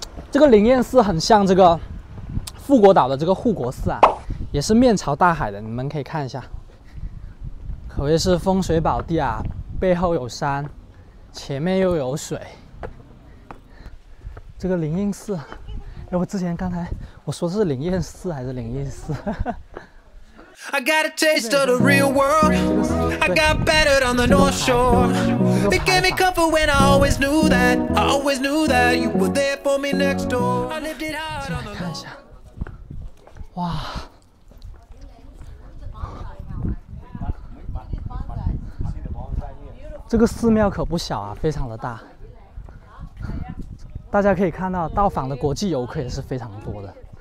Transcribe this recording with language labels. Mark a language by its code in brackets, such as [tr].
[zh] 这个灵验寺很像这个富国岛的这个护国寺啊，也是面朝大海的，你们可以看一下，可谓是风水宝地啊，背后有山，前面又有水。这个灵验寺，哎，我之前刚才我说是灵验寺还是灵验寺？ [en] I got a taste of the real world. I got battered on the North Shore. It gave me comfort when I always knew that. I always knew that you were there for me next door. I lived it hard on the road. [zh] 看一下，哇，这个寺庙可不小啊，非常的大。大家可以看到，到访的国际游客也是非常多的。